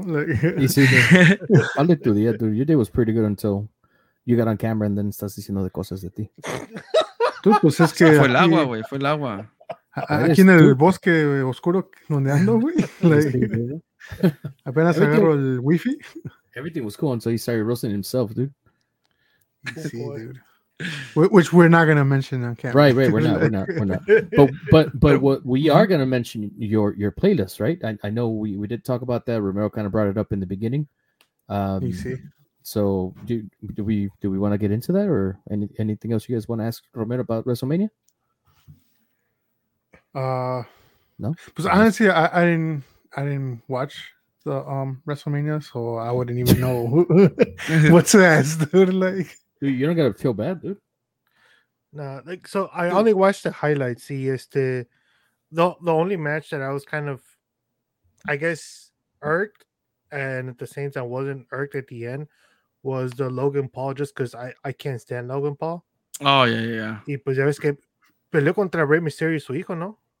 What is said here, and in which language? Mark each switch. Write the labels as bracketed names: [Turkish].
[English] Like, [Spanish] sí, [English] I looked through the year, dude. Your day was pretty good until you got on camera and then [Spanish] estás diciendo de cosas de ti. Tú, pues es que... Fue el agua, güey, fue el agua. Aquí en el bosque oscuro donde ando, güey. Like, apenas agarro el wifi. [English] Everything was cool until he started roasting himself, dude. [Spanish] Sí, dude. [English] Which we're not going to mention on camera. Right, we're not. But what we are going to mention your playlist, right? I know we did talk about that. Romero kind of brought it up in the beginning. You see. So do we want to get into that, or anything else you guys want to ask Romero about WrestleMania? No. Because honestly, I didn't watch the WrestleMania, so I wouldn't even know what to ask, dude. Like, dude, you don't gotta feel bad, dude. Nah, like, so I only watched the highlights. See, the only match that I was kind of, I guess, irked, and at the same time, I wasn't irked at the end. Was the Logan Paul, just because I can't stand Logan Paul. Oh, yeah. [Spanish] Y pues ya ves que peleó contra Rey Mysterio, su hijo, ¿no?